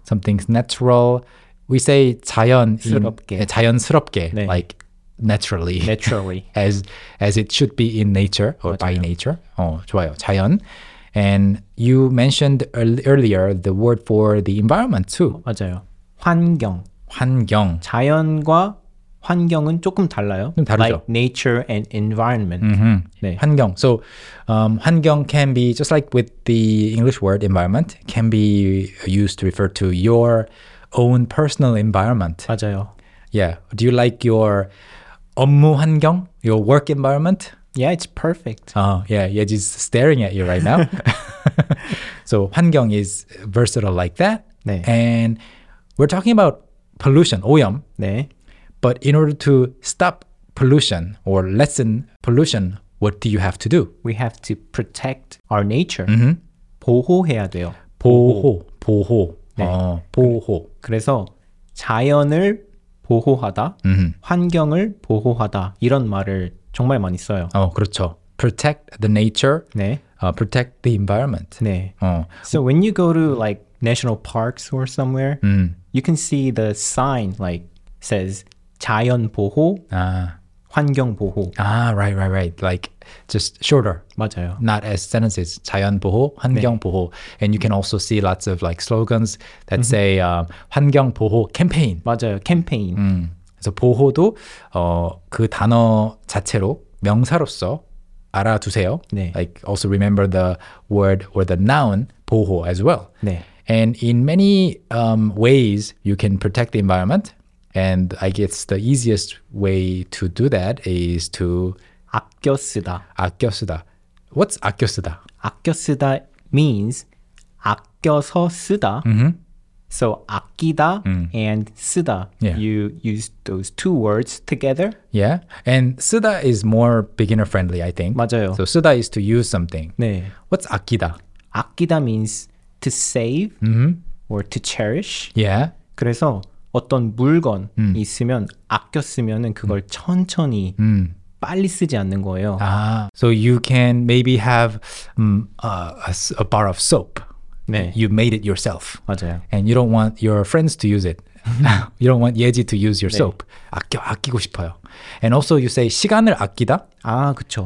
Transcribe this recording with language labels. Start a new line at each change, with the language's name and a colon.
English: Something's natural. We say 자연.
Korean: 자연스럽게. 자연스럽게. 네.
English: Like, naturally. Naturally. as it should be in nature or
Korean: 맞아요.
English: By nature.
Korean: 좋아요.
English: 자연. And you mentioned earlier the word for the environment too.
Korean: 맞아요. 환경. 환경. 자연과 환경은 조금 달라요. 좀 다르죠.
English: Like nature and environment.
Korean: 네. 환경.
English: So 환경 can be, just like with the English word environment, can be used to refer to your own personal environment.
Korean: 맞아요.
English: Yeah. Do you like your 업무 환경? Your work environment? Yeah, it's perfect. Yeah, just staring at you right now. So 환경 is versatile like that.
Korean: 네.
English: And we're talking about pollution, 오염.
Korean: 네.
English: But in order to stop pollution or lessen pollution, what do you have to do? We have to protect our nature.
Korean: 보호해야 돼요. 보호. 보호. 네. 보호. 그래서 자연을 보호하다, 환경을 보호하다 이런 말을 정말 많이 써요. 그렇죠.
English: Protect the nature.
Korean: 네.
English: Protect the environment.
Korean: 네.
English: So when you go to like national parks or somewhere, you can see the sign like says 자연 보호, 환경 보호. Right. Like just shorter.
Korean: 맞아요.
English: Not as sentences.
Korean: 자연 보호, 환경 네. 보호.
English: And you can also see lots of like slogans that say 환경 보호 캠페인.
Korean: 맞아요. 캠페인. 그래서 보호도 그 단어 자체로 명사로서 알아두세요. 네.
English: Like also remember the word or the noun 보호 as well.
Korean: 네.
English: And in many ways you can protect the environment. And I guess the easiest way to do that is to
Korean: 아껴 쓰다. 아껴 쓰다. What's 아껴 쓰다? 아껴 쓰다 means 아껴서 쓰다.
English: So 아끼다 and 쓰다, you use those two words together. Yeah, and 쓰다 is more beginner friendly, I think.
Korean: 맞아요.
English: So 쓰다 is to use something.
Korean: 네.
English: What's 아끼다? 아끼다 means to save or to cherish. Yeah.
Korean: 그래서 어떤 물건 있으면 아껴 쓰면은 그걸 천천히 빨리 쓰지 않는 거예요.
English: Ah, so you can maybe have a bar of soap.
Korean: 네.
English: You made it yourself.
Korean: 맞아요.
English: And you don't want your friends to use it. You don't want 예지 to use your soap.
Korean: 아끼고 싶어요.
English: And also you say
Korean: 시간을 아끼다. 아, 그쵸.